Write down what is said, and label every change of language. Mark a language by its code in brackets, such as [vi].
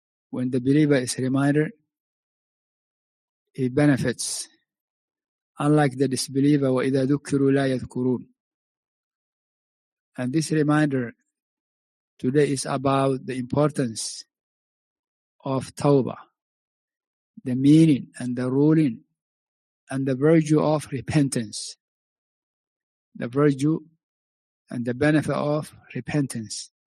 [en] When the believer is reminded, he benefits. Unlike the disbeliever, [ar] وَإِذَا ذُكِّرُوا لَا يَذْكُرُونَ. [en] And this reminder today is about the importance of tawbah, the meaning and the ruling and the virtue of repentance. The virtue and the benefit of repentance.